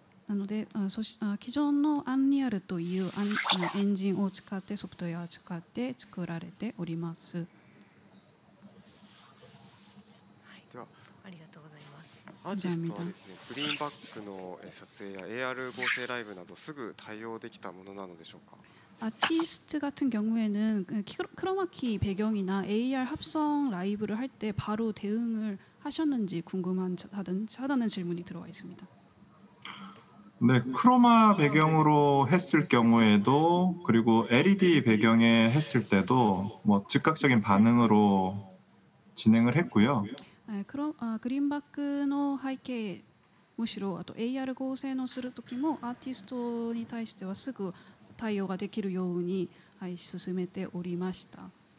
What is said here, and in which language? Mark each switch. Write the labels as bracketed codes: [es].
[ja] なので、既存のアンリアルというエンジンを使ってソフトウェアを使って作られております。はい、ありがとうございます。アーティストはですね、グリーンバックの撮影や AR 合成ライブなどすぐ対応できたものなのでしょうか。 [ko] 아티스트같은경우에는크로마키배경이나 AR 합성라이브를할때바로대응을하셨는지궁금한하다는질문이들어와있습니다 네크로마배경으로했을경우에도그리고 LED 배경에했을때도뭐즉각적인반응으로진행을했고요 [ja] 그럼그린바크의背景むしろあと AR 合成をする時もアーティストに対してはすぐ対応ができるように進めておりました。